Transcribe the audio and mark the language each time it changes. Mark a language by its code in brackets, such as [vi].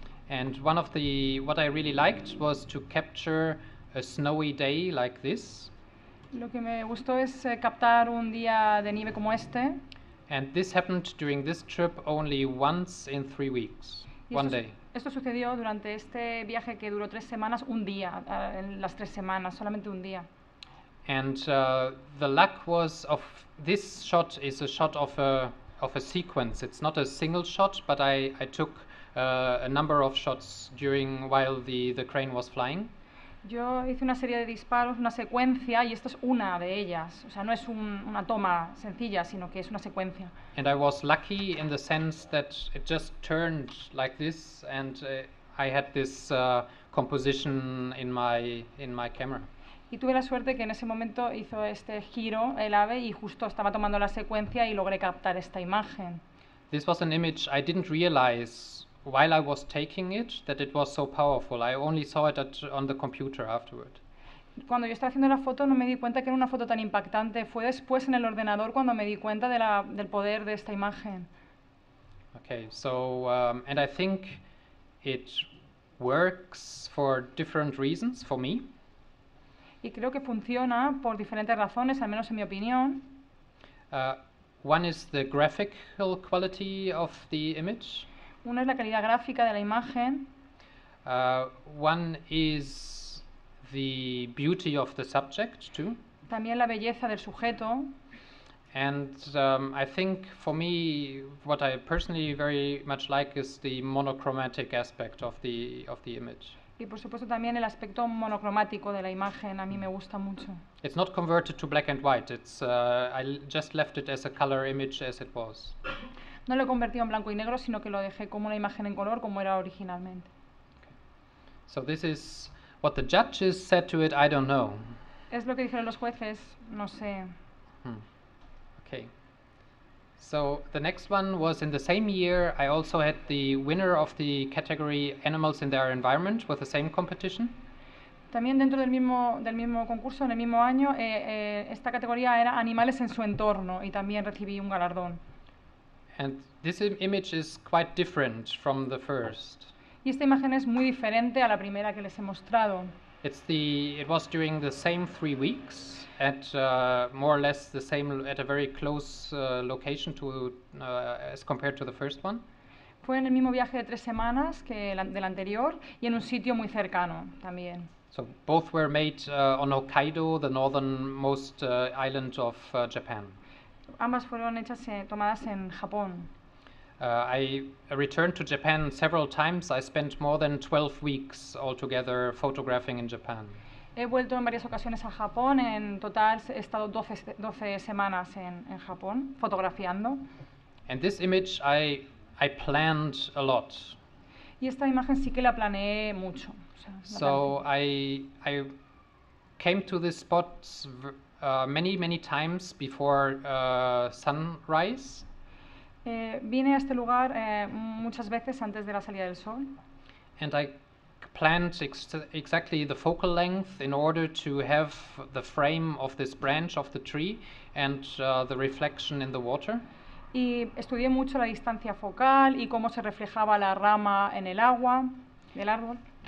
[en] And one of the, what I really liked was to capture a snowy day like this. [es] Lo que me gustó es captar un día de nieve como este. [en] And this happened during this trip only once in 3 weeks, one day. [es] Esto sucedió durante este viaje que duró 3 semanas, un día, en las 3 semanas, solamente un día. [en] And the luck was of this shot is a shot of a sequence. It's not a single shot, but I took a number of shots during while the crane was flying. [es] Yo hice una serie de disparos, una secuencia, y esta es una de ellas. O sea, no es una toma sencilla, sino que es una secuencia. [en] And I was lucky in the sense that it just turned like this, and I had this composition in my camera. [es] Y tuve la suerte que en ese momento hizo este giro el ave y justo estaba tomando la secuencia y logré captar esta imagen. [en] This was an image I didn't realize while I was taking it, that it was so powerful. I only saw it on the computer afterward. [es] Cuando yo estaba haciendo la foto, no me di cuenta que era una foto tan impactante. Fue después en el ordenador cuando me di cuenta del poder de esta imagen. [en] Okay, so, and I think it works for different reasons, for me. [es] Y creo que funciona por diferentes razones, al menos en mi opinión. [en] One is the graphical quality of the image. [es] Una es la calidad gráfica de la imagen. [en] One is the beauty of the subject too. [es] También la belleza del sujeto. [en] And I think for me, what I personally very much like is the monochromatic aspect of the image. [es] Y por supuesto también el aspecto monocromático de la imagen a mí me gusta mucho. [en] It's not converted to black and white. It's I just left it as a color image as it was. [es] No lo he convertido en blanco y negro, sino que lo dejé como una imagen en color, como era originalmente. [en] Okay. So this is what the judges said to it, I don't know. [es] Es lo que dijeron los jueces, no sé. [en] Okay. So the next one was in the same year, I also had the winner of the category Animals in Their Environment with the same competition. [es] También dentro del mismo concurso, en el mismo año, esta categoría era Animales en su entorno, y también recibí un galardón. [en] And this image is quite different from the first. [es] Y esta imagen es muy diferente a la primera que les he mostrado. [en] It was during the same 3 weeks at more or less the same at a very close location to as compared to the first one. [es] Fue en el mismo viaje de 3 semanas que del anterior y en un sitio muy cercano también. [en] So both were made on Hokkaido, the northernmost island of Japan. Ambas fueron hechas tomadas en Japón. I returned to Japan several times. I spent more than 12 weeks altogether photographing in Japan. [es] He vuelto en varias ocasiones a Japón. En total he estado 12 semanas en Japón fotografiando. [en] And this image I planned a lot. [es] Y esta imagen sí que la planeé mucho. [en] So I came to this spot many times before sunrise. [es] Vine a este lugar muchas veces antes de la salida del sol. [en] And I planned exactly the focal length in order to have the frame of this branch of the tree and the reflection in the water. [es] y estudié mucho la distancia focal y cómo se reflejaba la rama en el agua del árbol.